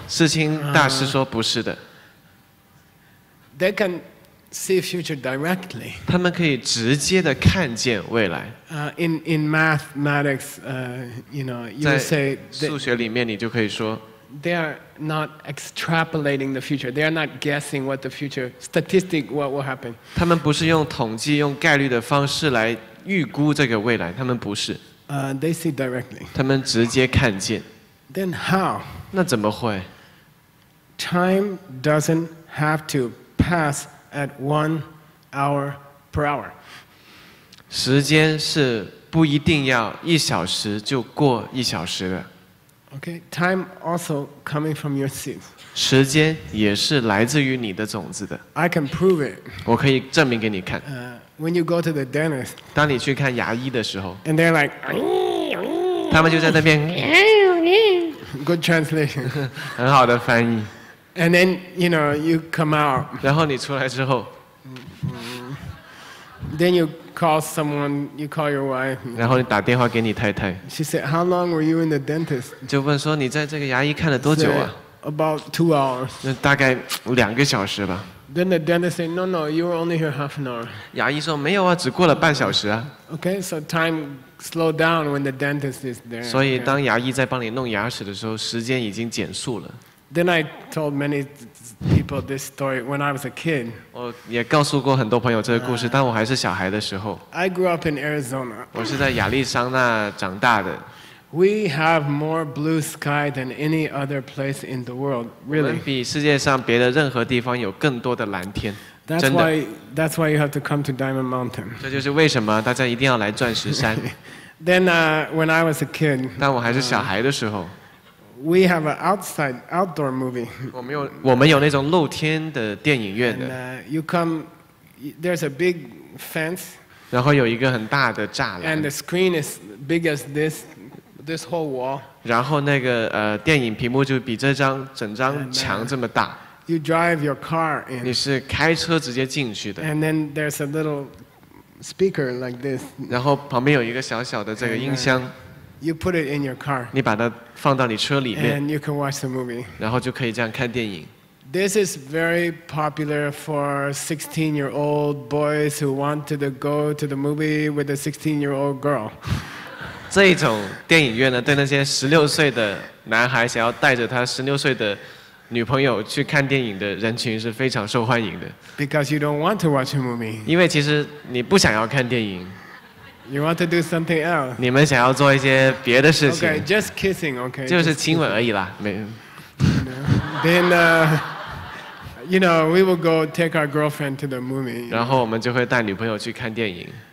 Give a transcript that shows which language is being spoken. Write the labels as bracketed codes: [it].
[zh] 世亲大师说不是的。 [en] They can. See future directly. [zh] 他们可以直接的看见未来。 [en] In mathematics, you know, you would say. [zh] 在数学里面，你就可以说。 [en] They are not extrapolating the future. They are not guessing what the future statistic what will happen. [zh] 他们不是用统计、用概率的方式来预估这个未来，他们不是。 [en] They see directly. [zh] 他们直接看见。 [en] Then how? [zh] 那怎么会 [en] ？Time doesn't have to pass. At 1 hour per hour. [zh] 时间是不一定要一小时就过一小时的。 [en] Okay, time also coming from your seed. [zh] 时间也是来自于你的种子的。 [en] I can prove it. [zh] 我可以证明给你看。 [en] When you go to the dentist. [zh] 当你去看牙医的时候。 [en] And they're like. [zh] 他们就在那边。 [en] Good translation. [zh] 很好的翻译。 [en] And then you know you come out. [zh] 然后你出来之后 [en] Then you call someone. You call your wife. [zh] 然后你打电话给你太太 [en] She said, "How long were you in the dentist?" [zh] 就问说你在这个牙医看了多久啊 [en] About 2 hours. [zh] 那大概两个小时吧 [en] Then the dentist said, "No, no, you were only here half an hour." [zh] 牙医说没有啊，只过了半小时啊 [en] Okay, so time slowed down when the dentist is there. [zh] 所以当牙医在帮你弄牙齿的时候，时间已经减速了。 [en] Then I told many people this story when I was a kid. [zh] 我也告诉过很多朋友这个故事，当我还是小孩的时候。 [en] I grew up in Arizona. [zh] 我是在亚利桑那长大的。 [en] We have more blue sky than any other place in the world, really. [zh] 我们比世界上别的任何地方有更多的蓝天。 [en] That's why you have to come to Diamond Mountain. [zh] 这就是为什么大家一定要来钻石山。 [en] Then when I was a kid, [zh] 但我还是小孩的时候 [en] we have an outdoor movie. [zh] 我们有那种露天的电影院的。 [en] You come, there's a big fence. [zh] 然后有一个很大的栅栏。 [en] And the screen is big as this whole wall. [zh] 然后那个电影屏幕就比这张整张墙这么大。 [en] You drive your car in. [zh] 你是开车直接进去的。 [en] And then there's a little speaker like this. [zh] 然后旁边有一个小小的这个音箱。 [en] You put it in your car. [zh] 你把它放到你车里面。 [en] And you can watch the movie. [zh] 然后就可以这样看电影。 [en] This is very popular for 16-year-old boys who wanted to go to the movie with a 16-year-old girl. [zh] 这种电影院呢，对那些16岁的男孩想要带着他16岁的女朋友去看电影的人群是非常受欢迎的。 [en] Because you don't want to watch a movie. [zh] 因为其实你不想要看电影。 [en] You want to do something else. [zh] 你们想要做一些别的事情。 [en] Okay, just kissing, okay. [zh] 就是亲吻而已啦，没。 [en] Then, you know, we will go take our girlfriend to the movie. [zh] 然后我们就会带女朋友去看电影。